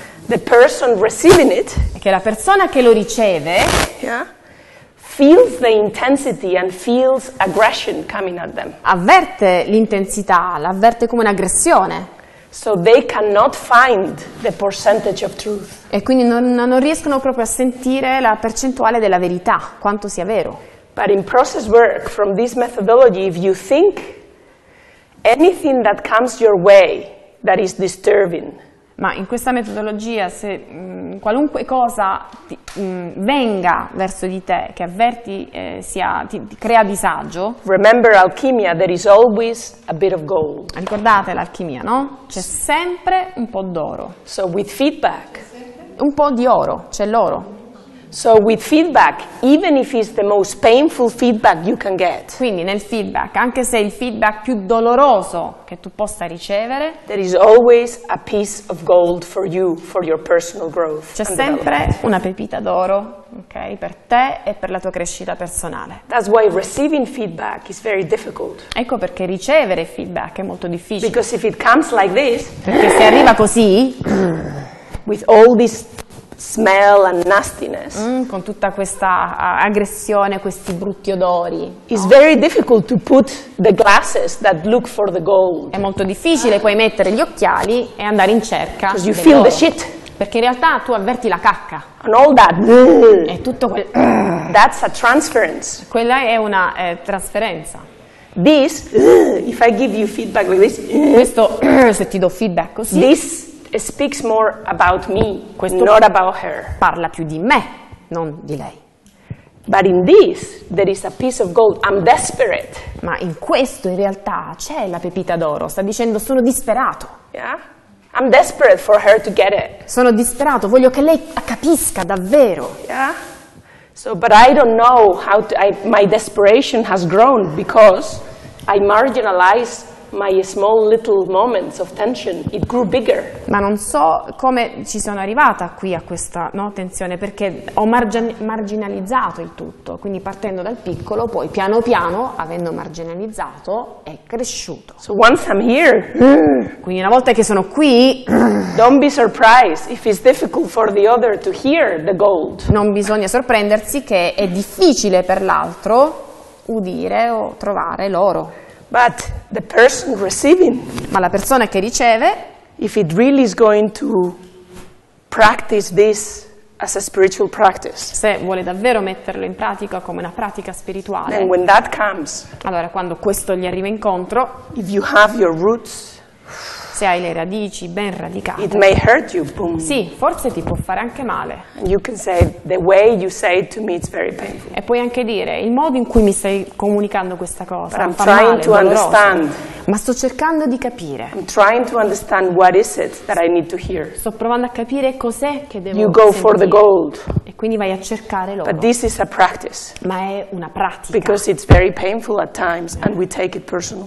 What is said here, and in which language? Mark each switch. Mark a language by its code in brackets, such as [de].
[en] The person receiving it. [it] E che la persona che lo riceve. [en] Yeah? Feels the intensity and feels aggression coming at them. [it] Avverte l'intensità, l'avverte come un'aggressione. [en] So they cannot find the percentage of truth. [it] E quindi non riescono proprio a sentire la percentuale della verità, quanto sia vero. [en] But in process work, from this methodology, if you think anything that comes your way that is disturbing. [it] Ma in questa metodologia, se qualunque cosa venga verso di te, che avverti sia ti crea disagio. [en] Remember alchemia, there is always a bit of gold. [it] Ricordate l'alchimia, no? C'è sempre un po' d'oro. [en] So with feedback. [it] Un po' di oro, c'è l'oro. [en] So with feedback, even if it's the most painful feedback you can get. [it] Quindi nel feedback, anche se è il feedback più doloroso che tu possa ricevere, [en] there is always a piece of gold for you for your personal growth. [it] C'è sempre una pepita d'oro, ok, per te e per la tua crescita personale. [en] That's why receiving feedback is very difficult. [it] Ecco perché ricevere feedback è molto difficile. [en] Because if it comes like this, [it] perché se arriva così, [en] with all this smell and nastiness. [it] Con tutta questa aggressione, questi brutti odori. [en] It's very difficult to put the glasses that look for the gold. [it] È molto difficile poi mettere gli occhiali e andare in cerca. [en] Because you feel the shit. [it] Perché in realtà tu avverti la cacca. [en] And all that. [it] E tutto quel. [en] That's a transference. [it] Quella è una trasferenza. [en] This, if I give you feedback like this. [it] Questo, se ti do feedback così. [en] This. It speaks more about me, [it] questo [en] not about her. [it] Parla più di me, non di lei. [en] But in this, there is a piece of gold. I'm desperate. [it] Ma in questo, in realtà, c'è la pepita d'oro. Sta dicendo, sono disperato. [en] Yeah? I'm desperate for her to get it. [it] Sono disperato, voglio che lei capisca davvero. [en] Yeah? So, but I don't know how my desperation has grown because I marginalize my small little moments of tension, it grew bigger. [it] Ma non so come ci sono arrivata qui a questa, no, tensione, perché ho marginalizzato il tutto, quindi partendo dal piccolo, poi piano piano, avendo marginalizzato, è cresciuto. [en] So once I'm here, [it] quindi una volta che sono qui, [en] don't be surprised if it's difficult for the other to hear the gold. [it] Non bisogna sorprendersi che è difficile per l'altro udire o trovare l'oro. [en] But the person receiving, [it] ma la persona che riceve, [en] if it really is going to practice this as a spiritual practice, [it] se vuole davvero metterlo in pratica come una pratica spirituale, [en] then when that comes, [it] allora quando questo gli arriva incontro, [en] if you have your roots, [it] se hai le radici ben radicate, [en] it may hurt you, boom. [it] Sì, forse ti può fare anche male. [en] And you can say, the way you say it to me is very painful. [it] E puoi anche dire, il modo in cui mi stai comunicando questa cosa, [en] but I'm trying to understand. [it] Ma sto cercando di capire. [en] I'm trying to understand what is it that I need to hear. [it] Sto provando a capire cos'è che devo sentire. [en] You go for the gold. [it] E quindi vai a cercare l'oro. [en] But this is a practice. [it] Ma è una pratica. [en] Because it's very painful at times and we take it personal.